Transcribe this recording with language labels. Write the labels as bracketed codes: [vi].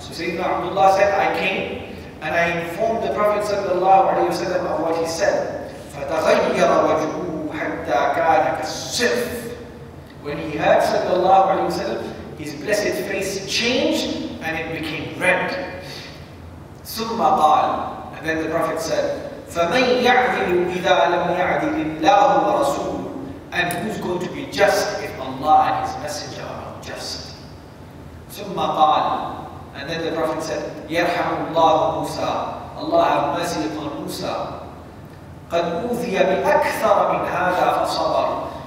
[en] So سيدنا عبد الله said, I came and I informed the Prophet [ar] sallallahu alayhi wa sallam [en] of what he said. [ar] فَتَغَيَّرَ وَجْهُهُ حَتَّى كَانَ كَالصِّفْرِ. [en] When he heard [ar] sallallahu alayhi wa sallam, [en] his blessed face changed and it became red. [ar] ثُمَّ قَالَ. [en] And then the Prophet said, [ar] فَمَنْ يَعْدِلُ إِذَا لَمْ يَعْدِلِ اللَّهُ وَرَسُولُهُ. [en] And who's going to be just if Allah and His Messenger are not just? [ar] ثُمَّ قَالَ. [en] And then the Prophet said, [ar] يَرْحَمُ اللَّهُ مُوسَى. [en] Allah have mercy upon Musa. [ar] قَدْ أُوذِيَ بِأَكْثَرَ مِنْ هَذَا فَصَبَرُ.